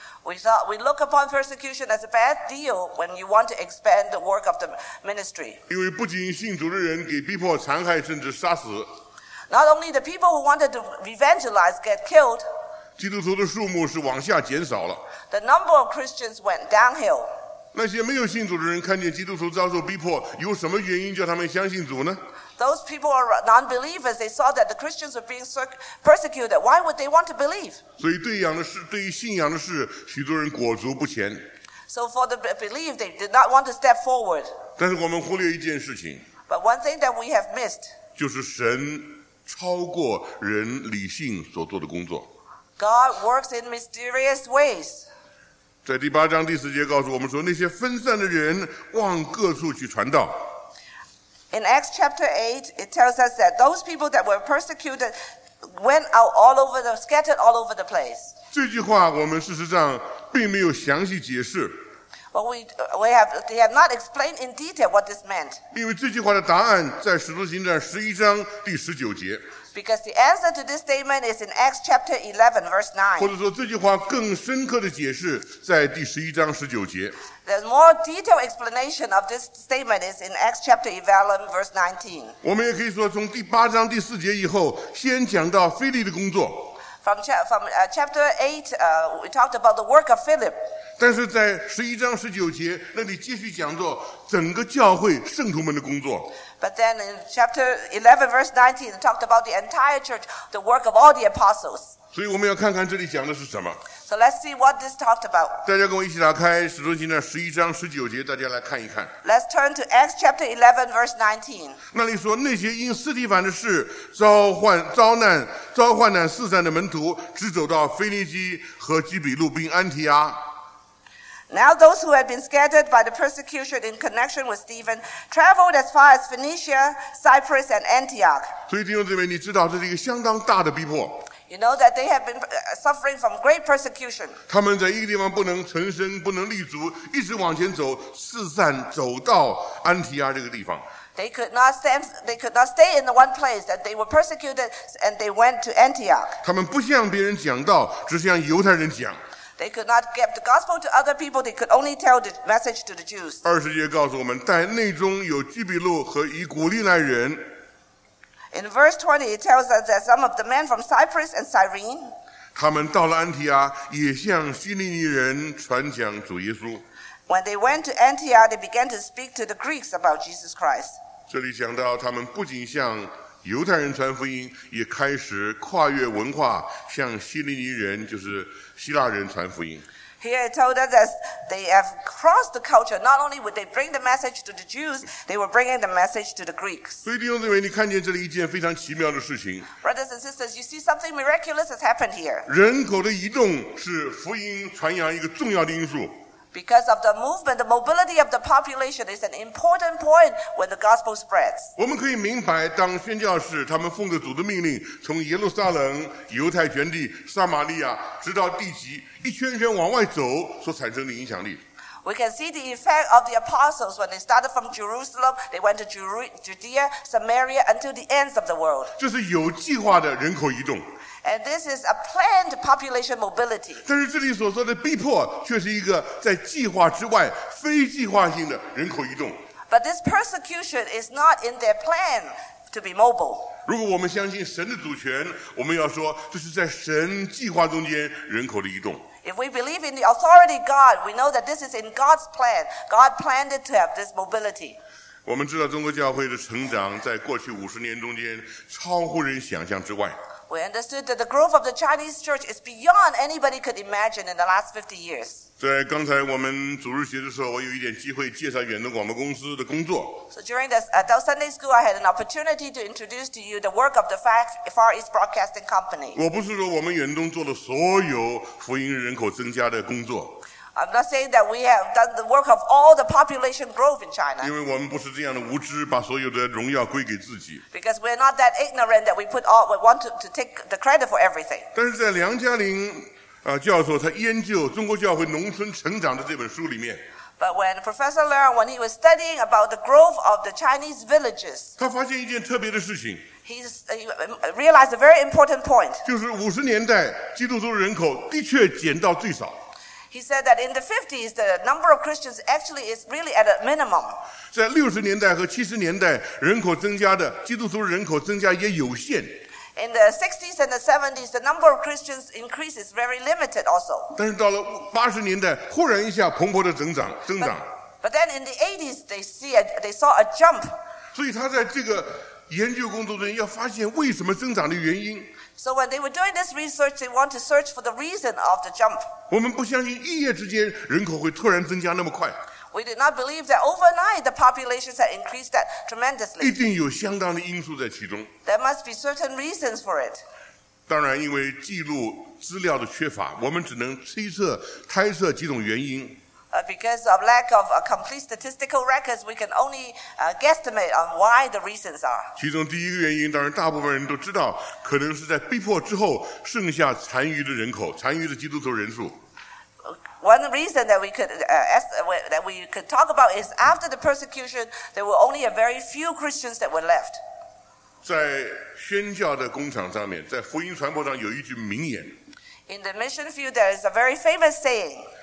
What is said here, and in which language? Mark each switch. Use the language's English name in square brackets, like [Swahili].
[English] We look upon persecution as a bad deal when you want to expand the work of the ministry. [Chinese] 因为不仅信主的人给逼迫残害甚至杀死。 [English] Not only the people who wanted to evangelize get killed. [Chinese] 基督徒的数目是往下减少了。 [English] The number of Christians went downhill. [Chinese] 那些没有信主的人看见基督徒遭受逼迫，有什么原因叫他们相信主呢？ [English] Those people are non-believers. They saw that the Christians were being persecuted. Why would they want to believe? [Chinese] 所以对于信仰的事，许多人裹足不前。 [English] So for the belief, they did not want to step forward. [Chinese] 但是我们忽略一件事情。 [English] But one thing that we have missed. [Chinese] 就是神超过人理性所做的工作。 [English] God works in mysterious ways. [Chinese] 在第八章第四节告诉我们说，那些分散的人往各处去传道。 [English] In Acts chapter 8, it tells us that those people that were persecuted went out all over the, scattered all over the place. [Chinese] 这句话我们事实上并没有详细解释。 [English] But they have not explained in detail what this meant. [Chinese] 因为这句话的答案在《使徒行传》11章第19节。 [English] Because the answer to this statement is in Acts chapter 11, verse 9. [Chinese] 或者说这句话更深刻的解释在第11章19节。 [English] There's more detailed explanation of this statement is in Acts chapter 11, verse 19. [Chinese] 我们也可以说从第八章第四节以后先讲到腓力的工作。 [English] From chapter 8, we talked about the work of Philip. [Chinese] 但是在十一章十九节那里继续讲到整个教会圣徒们的工作。 [English] But then in chapter 11 verse 19, it talked about the entire church, the work of all the apostles. [Chinese] 所以我们要看看这里讲的是什么。 [English] So let's see what this talked about. [Chinese] 大家跟我一起打开使徒行传十一章十九节，大家来看一看。 [English] Let's turn to Acts chapter 11 verse 19. [Chinese] 那里说那些因斯提凡的事遭患难四散的门徒，只走到腓尼基和基比路并安提阿。 [English] Now those who had been scattered by the persecution in connection with Stephen traveled as far as Phoenicia, Cyprus, and Antioch. [Chinese] 所以弟兄姊妹，你知道这是一个相当大的逼迫。 [English] You know that they have been suffering from great persecution. [Chinese] 他们在一个地方不能存身，不能立足，一直往前走，四散走到安提阿这个地方。 [English] They could not stay in the one place that they were persecuted, and they went to Antioch. [Chinese] 他们不向别人讲道，只向犹太人讲。 [English] They could not give the gospel to other people. They could only tell the message to the Jews. [Chinese] 二十节告诉我们，在内中有基比路和以古利奈人。 [English] In verse 20, it tells us that some of the men from Cyprus and Cyrene. [Chinese] 他们到了安提阿，也向希利尼人传讲主耶稣。 [English] When they went to Antioch, they began to speak to the Greeks about Jesus Christ. [Chinese] 这里讲到，他们不仅向犹太人传福音，也开始跨越文化，向希利尼人，就是希腊人传福音。 [English] Here it told us that they have crossed the culture. Not only would they bring the message to the Jews, they were bringing the message to the Greeks. [Chinese] 所以弟兄姊妹，你看见这里一件非常奇妙的事情。 [English] Brothers and sisters, you see something miraculous has happened here. [Chinese] 人口的移动是福音传扬一个重要的因素。 [English] Because of the movement, the mobility of the population is an important point when the gospel spreads. [Chinese] 我们可以明白，当宣教士他们奉着主的命令，从耶路撒冷、犹太全地、撒玛利亚，直到地极，一圈圈往外走所产生的影响力。 [English] We can see the effect of the apostles when they started from Jerusalem, they went to Judea, Samaria, until the ends of the world. [Chinese] 这是有计划的人口移动。 [English] And this is a planned population mobility. [Chinese] 但是这里所说的逼迫却是一个在计划之外非计划性的人口移动。 [English] But this persecution is not in their plan to be mobile. [Chinese] 如果我们相信神的主权，我们要说这是在神计划中间人口的移动。 [English] If we believe in the authority of God, we know that this is in God's plan. God planned it to have this mobility. [Chinese] 我们知道中国教会的成长在过去五十年中间超乎人想象之外。 [English] We understood that the growth of the Chinese church is beyond anybody could imagine in the last 50 years. [Chinese] 在刚才我们主日学的时候，我有一点机会介绍远东广播公司的工作。 [English] So during the adult Sunday school, I had an opportunity to introduce to you the work of the Far East Broadcasting Company. [Chinese] 我不是说我们远东做了所有福音人口增加的工作。 [English] I'm not saying that we have done the work of all the population growth in China. [Chinese] 因为我们不是这样的无知，把所有的荣耀归给自己。 [English] Because we're not that ignorant that we want to take the credit for everything. [Chinese] 但是在梁嘉玲教授他研究中国教会农村成长的这本书里面。 [English] But when Professor Leung, when he was studying about the growth of the Chinese villages, [Chinese] 他发现一件特别的事情。 [English] He realized a very important point. [Chinese] 就是五十年代基督徒人口的确减到最少。 [English] He said that in the 50s, the number of Christians actually is really at a minimum. [Chinese] 在60年代和70年代，人口增加的基督徒人口增加也有限。 [English] In the 60s and the 70s, the number of Christians increase is very limited also. [Chinese] 但是到了80年代，忽然一下蓬勃的增长。 [English] But then in the 80s, they saw a jump. [Chinese] 所以他在这个研究工作中要发现为什么增长的原因。 [English] So when they were doing this research, they want to search for the reason of the jump. [Chinese] 我们不相信一夜之间人口会突然增加那么快。 [English] We did not believe that overnight the populations had increased that tremendously. [Chinese] 一定有相当的因素在其中。 [English] There must be certain reasons for it. [Chinese] 当然，因为记录资料的缺乏，我们只能猜测几种原因。 [English] Because of lack of complete statistical records, we can only guesstimate on why the reasons are. [Chinese] 其中第一个原因，当然大部分人都知道，可能是在逼迫之后剩下残余的人口，残余的基督徒人数。 [English] One reason that we could talk about is after the persecution, there were only a very few Christians that were left. [Chinese] 在宣教的工厂上面，在福音传播上有一句名言。 [English] In the mission field, there is a very famous saying.